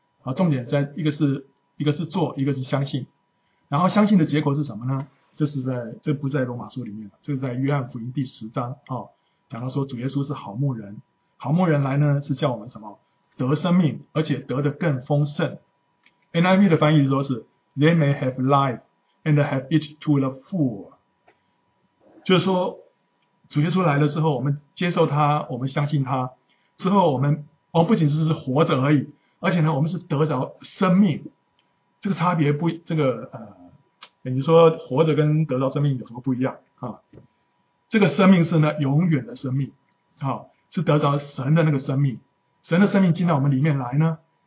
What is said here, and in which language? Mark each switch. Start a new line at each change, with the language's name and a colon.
Chinese: 啊，重点在一个是做，一个是相信。然后相信的结果是什么呢？这、就是在这不是在罗马书里面，这、就是在约翰福音第十章啊，讲到说主耶稣是好牧人，好牧人来呢是叫我们什么得生命，而且得的更丰盛。
English: NIV
Chinese: 的翻译说是
English: they may have life and have it to the full。
Chinese: 就是说主耶稣来了之后，我们接受他，我们相信他之后，我们不仅是活着而已，而且呢我们是得着生命。这个差别不这个你说活着跟得到生命有什么不一样啊，这个生命是呢永远的生命啊，是得着神的那个生命，神的生命进到我们里面来呢，